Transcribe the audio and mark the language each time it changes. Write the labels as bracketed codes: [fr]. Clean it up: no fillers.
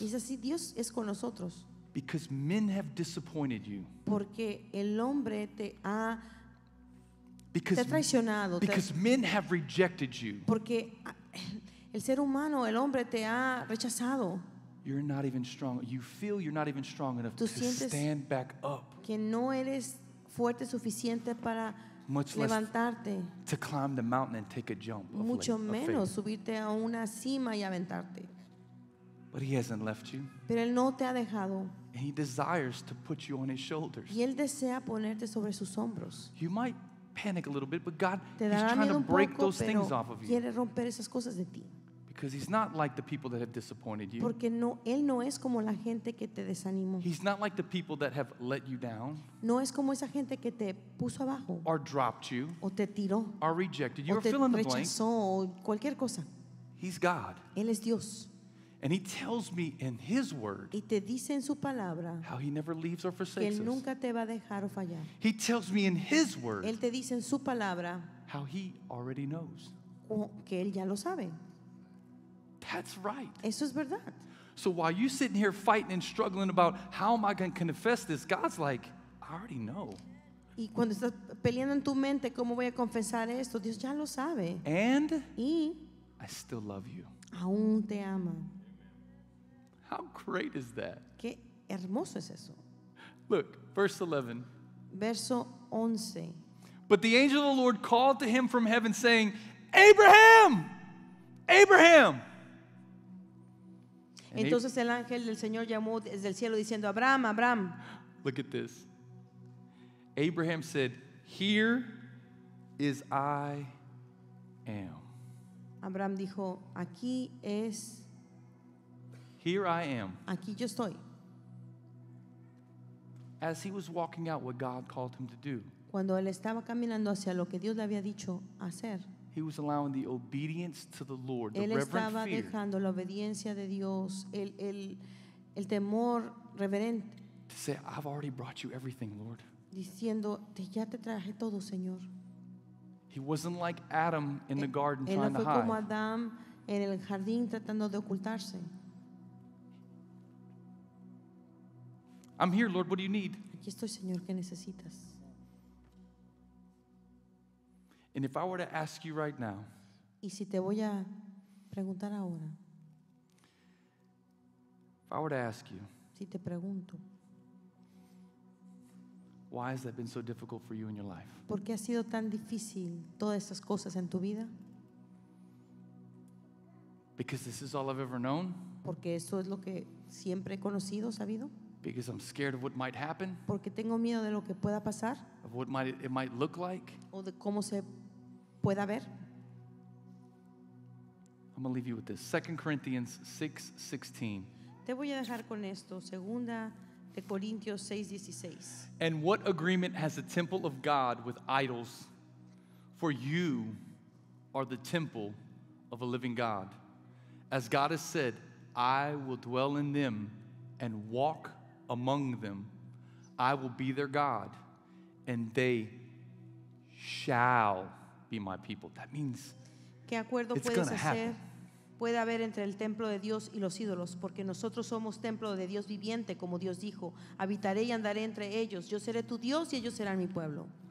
[es] Y es así, Dios es con nosotros. [en] Because men have disappointed you. [es] Porque el hombre te ha traicionado. [en] Because men have rejected you. [es] Porque el ser humano, el hombre te ha rechazado. [en] You're not even strong. You feel you're not even strong enough to stand back up. [es] Que no eres fuerte suficiente para levantarte. [en] To climb the mountain and take a jump. [es] Mucho menos subirte a una cima y aventarte. [en] But he hasn't left you. [es] Pero él no te ha dejado. [en] And he desires to put you on his shoulders. [es] Y él desea ponerte sobre sus hombros. [en] You might panic a little bit, but God is trying to break those things off of you. [es] Quiere romper esas cosas de ti. [en] Because he's not like the people that have disappointed you. [es] Porque no, él no es como la gente que te desanimó. [en] He's not like the people that have let you down. [es] No es como esa gente que te puso abajo. [en] Or dropped you. [es] O te tiró. [en] Or rejected you. Or fill in the [es] rechazó, [en] blank. [es] O cualquier cosa. [en] He's God. [es] Él es Dios. [en] And he tells me in his word. [es] Y te dice en su palabra. [en] How he never leaves or forsakes [es] que nunca [en] us. [es] Te va a dejar o fallar. [en] He tells me in his word. [es] Él te dice en su palabra. [en] How he already knows. [es] Que él ya lo sabe. [en] That's right. [es] Eso es verdad. [en] So while you're sitting here fighting and struggling about how am I going to confess this, God's like, I already know. [es] Y cuando estás peleando en tu mente cómo voy a confesar esto, Dios ya lo sabe. [en] And [es] y [en] I still love you. [es] Aún te ama. [en] How great is that? [es] Qué hermoso es eso. [en] Look, verse 11. [es] Verso 11. [en] But the angel of the Lord called to him from heaven saying, Abraham! [es] Abraham! Entonces el ángel del Señor llamó desde el cielo diciendo, Abraham, Abraham. [en] Look at this. Abraham said, here is I am. [es] Abraham dijo, aquí es. [en] Here I am. [es] Aquí yo estoy. [en] As he was walking out what God called him to do. [es] Cuando él estaba caminando hacia lo que Dios le había dicho hacer. [en] He was allowing the obedience to the Lord, the reverent fear. [es] Él estaba dejando la obediencia de Dios, el temor reverente. [en] To say, I've already brought you everything, Lord. [es] Diciendo, ya te traje todo, Señor. [en] He wasn't like Adam in the garden trying to hide. [es] Él no fue como Adam en el jardín tratando de ocultarse. [en] I'm here, Lord. What do you need? [es] Aquí estoy, Señor. ¿Qué necesitas? [en] And if I were to ask you right now, [es] y si te voy a preguntar ahora, [en] if I were to ask you, [es] si te pregunto, [en] why has that been so difficult for you in your life? [es] ¿Por qué ha sido tan difícil todas estas cosas en tu vida? [en] Because this is all I've ever known. [es] Porque esto es lo que siempre he conocido, sabido. [en] Because I'm scared of what might happen. [es] Porque tengo miedo de lo que pueda pasar. [en] Of what might it might look like. [es] O de cómo se pueda haber. [en] I'm going to leave you with this. 2 Corinthians 6:16. [es] Te voy a dejar con esto. Segunda de Corintios 6:16. [en] And what agreement has the temple of God with idols? For you are the temple of a living God. As God has said, I will dwell in them and walk among them. I will be their God, and they shall be my people. That means [es] ¿qué acuerdo puedes hacer? Puede haber entre el templo de Dios y los ídolos, porque nosotros somos templo de Dios viviente, como Dios dijo, habitaré y andaré entre ellos, yo seré tu Dios y ellos serán mi pueblo.